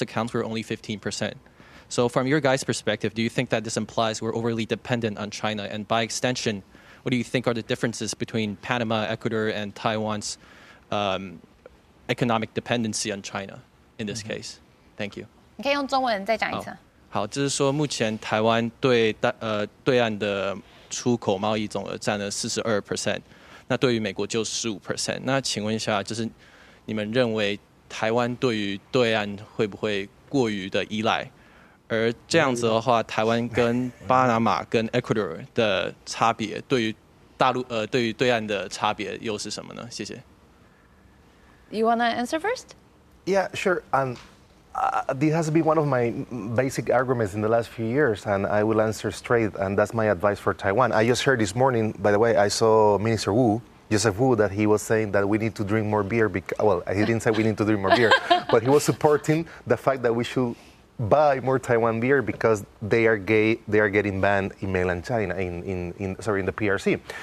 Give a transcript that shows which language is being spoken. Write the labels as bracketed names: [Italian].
[English] accounts for only 15%. So from your guys' perspective, do you think that this implies we're overly dependent on China? And by extension, what do you think are the differences between Panama, Ecuador, and Taiwan's economic dependency on China in this case? Thank you. [Chinese] 你可以用中文再讲一次。好，就是说目前台湾对对岸的出口贸易总额占了42%。那对于美国就15%。那请问一下，就是你们认为台湾对于对岸会不会过于的依赖？而这样子的话，台湾跟巴拿马跟 Ecuador 的差别，对于大陆对于对岸的差别又是什么呢？谢谢。 [English] You wanna answer first? Yeah, sure. This has been one of my basic arguments in the last few years, and I will answer straight, and that's my advice for Taiwan. I just heard this morning, by the way, I saw Minister Wu, Joseph Wu, that he was saying that we need to drink more beer. Well, he didn't say we need to drink more beer, but he was supporting the fact that we should buy more Taiwan beer because they are getting banned in mainland China, in the PRC.